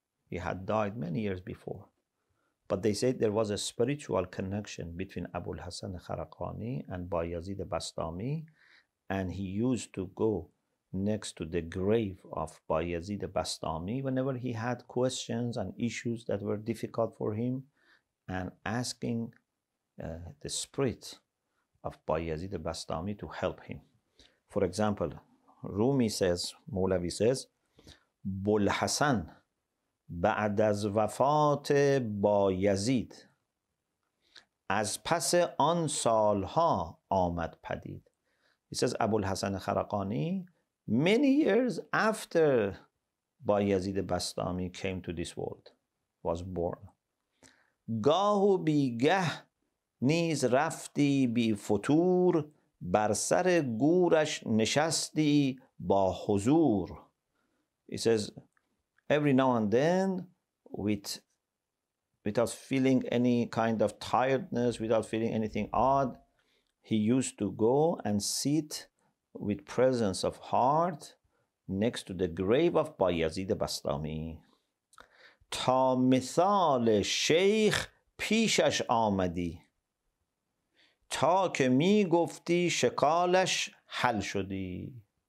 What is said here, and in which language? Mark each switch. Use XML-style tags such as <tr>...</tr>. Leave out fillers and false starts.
<en>He had died many years before. But they said there was a spiritual connection between Abul Hasan Kharaqani and Bayazid Bastami, and he used to go next to the grave of Bayazid Bastami whenever he had questions and issues that were difficult for him, and asking the spirit of Bayazid Bastami to help him. For example, Rumi says, Molavi says,</en> <fa>Bul Hasan بعد از وفات بایزید از پس آن سالها آمد پدید.</fa> <en>He says Abul Hasan Kharaqani, many years after Bayazid Bastami came to this world, was born.</en> <fa>گاه و بیگه نیز رفتی بی فتور بر سر گورش نشستی با حضور.</fa> <en>He says, every now and then, without feeling any kind of tiredness, without feeling anything odd, he used to go and sit with presence of heart next to the grave of Bayazid Bastami.</en> <fa>تا مثال شیخ پیشش آمدی تا که می گفتی شکالش حل شدی.</fa>